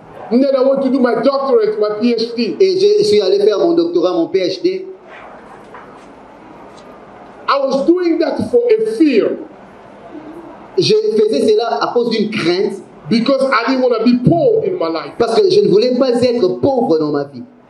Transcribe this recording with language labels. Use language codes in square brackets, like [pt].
[en] And then I want to do my doctorate, my PhD. [fr] Et je suis allé faire mon doctorat, mon PhD. [en] I was doing that for a fear. [fr] Je faisais cela à cause d'une crainte. [en] Because I didn't want to be poor in my life. [fr] Parce que je ne voulais pas être pauvre dans ma vie.